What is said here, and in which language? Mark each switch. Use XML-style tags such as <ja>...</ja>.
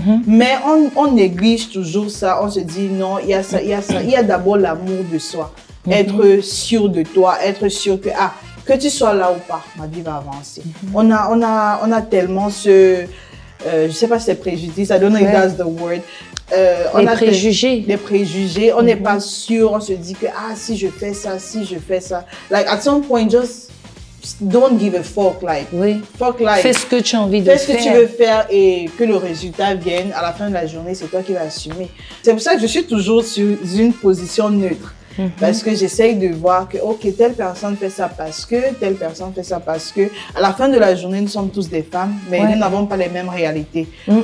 <fr>Mais on néglige toujours ça, on se dit non, il y a ça, il y a ça. Il y a d'abord l'amour de soi, être sûr de toi, être sûr que... Ah, que tu sois là ou pas, ma vie va avancer. On a tellement ce... je ne sais pas si c'est préjudice,</fr> <en>I don't know if that's the word.</en> <fr>Les préjugés. On n'est pas sûr, on se dit que, ah, si je fais ça.</fr> <en>Like, at some point, just don't give a fuck, like.</en> <fr>Oui.</fr> <en>Fuck life.</en> <fr>Fais ce que tu as envie de faire. Fais ce que tu veux faire et que le résultat vienne. À la fin de la journée, c'est toi qui vas assumer. C'est pour ça que je suis toujours sur une position neutre. Mm-hmm. Parce que j'essaye de voir que, OK, telle personne fait ça parce que, telle personne fait ça parce que. À la fin de la journée, nous sommes tous des femmes, mais ouais. nous n'avons pas les mêmes réalités. Mm-hmm.</fr>